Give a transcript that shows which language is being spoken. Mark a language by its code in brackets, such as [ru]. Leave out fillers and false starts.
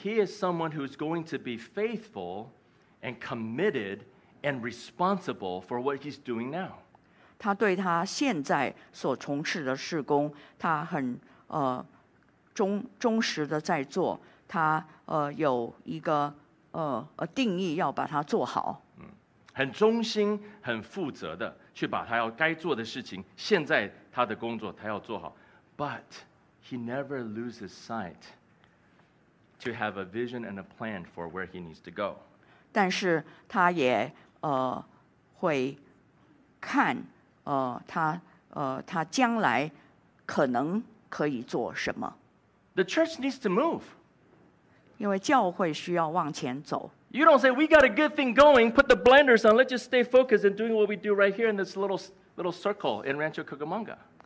[en] He is someone who's going to be faithful and committed and responsible for what he's doing now. [zh] 他对他现在所从事的事工，他很忠实的在做，他有一个定义要把它做好。很忠心，很负责的去把他要该做的事情，现在他的工作他要做好。 [en] But he never loses sight to have a vision and a plan for where he needs to go. [zh] 但是他也会看他将来可能可以做什么。 [en] The church needs to move. [zh] 因为教会需要往前走。 [en] You don't say, we got a good thing going, put the blinders on, let's just stay focused and doing what we do right here in this little circle in Rancho Cucamonga.